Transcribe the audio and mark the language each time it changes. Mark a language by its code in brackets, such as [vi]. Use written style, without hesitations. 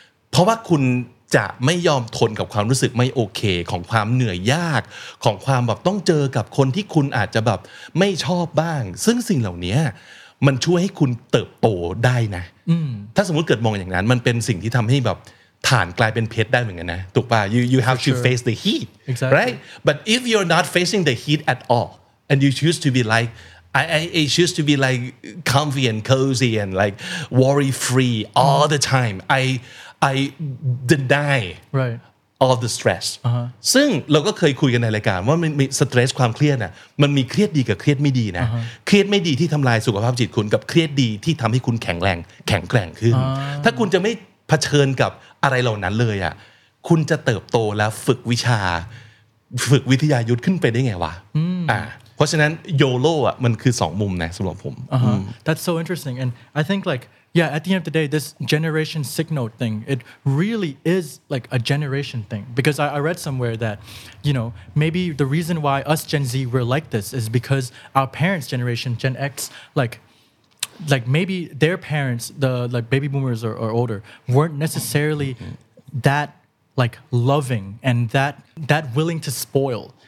[th] เพราะว่าคุณจะไม่ยอมทนกับความรู้สึกไม่โอเคของความเหนื่อยยากของความแบบต้องเจอกับคนที่คุณอาจจะแบบไม่ชอบบ้างซึ่งสิ่งเหล่านี้มันช่วยให้คุณเติบโตได้นะถ้าสมมติเกิดมองอย่างนั้นมันเป็นสิ่งที่ทำให้แบบฐานกลายเป็นเพชรได้เหมือนกันนะถูกป่ะ [en] you have to face the heat exactly. right but if you're not facing the heat at all and you choose to be like I choose to be like comfy and cozy and like worry free all the time I deny right. all the stress uh-huh. [th] ซึ่งเราก็เคยคุยกันในรายการว่ามันมีสเตรสความเครียดน่ะมันมีเครียดดีกับเครียดไม่ดีนะ uh-huh. เครียดไม่ดีที่ทำลายสุขภาพจิตคุณกับเครียดดีที่ทำให้คุณแข็งแรงแข็งแกร่งขึ้น uh-huh. ถ้าคุณจะไม่เผชิญกับอะไรเหล่านั้นเลยอ่ะคุณจะเติบโตและฝึกวิชาฝึกวิทยายุทธขึ้นไปได้ไงวะ uh-huh. เพราะฉะนั้นโยโล่อ่ะมันคือสองมุมนะสำหรับผม uh-huh. [en] That's so interesting and I think likeYeah, at the end of the day, this generation signal thing, it really is like a generation thing. Because I read somewhere that, you know, maybe the reason why us Gen Z were like this is because our parents' generation, Gen X, like maybe their parents, the like baby boomers or older, weren't necessarily that like loving and that willing to spoil.